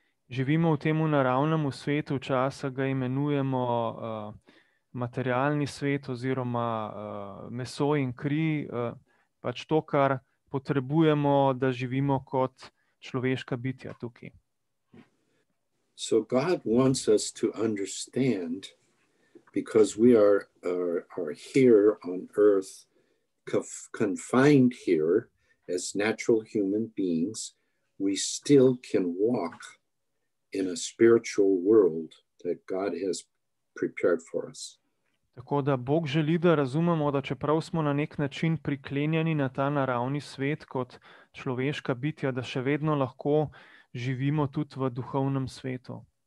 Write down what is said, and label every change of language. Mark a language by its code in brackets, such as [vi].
[sl] Živimo v temu naravnemu svetu, časa ga imenujemo materialni svet oziroma meso in kri, pač to, kar potrebujemo, da živimo kot človeška bitja tukaj. [en] So God wants us to understand, because we are here on earth, confined here as natural human beings, we still can walk in a spiritual world that God has prepared for us. [sl] Tako da Bog želi, da razumemo, da čeprav smo na nek način priklenjeni na ta naravni svet kot človeška bitja, da še vedno lahko živimo tudi v duhovnem svetu.